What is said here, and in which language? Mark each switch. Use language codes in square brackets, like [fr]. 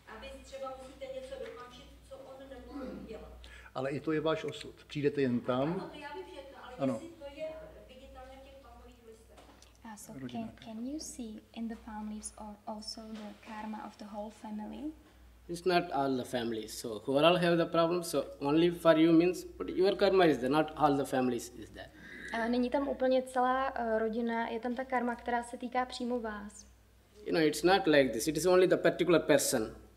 [cs] A vy třeba musíte něco dokončit, co on nemohl dělat. Ale i to je váš osud. Přijdete jen tam. Ano, to já bych řekla, ale jestli to je viditelně v těch palmových listech. [en] Can you see in the palm leaves or also the karma of the whole family? It's not all the family. So who all have the problem? So only for you means, but your karma is there. Not all the families is there. [cs] A není tam úplně celá rodina. Je tam ta karma, která se týká přímo vás. [en] You know, it's not like this. It is only the particular person.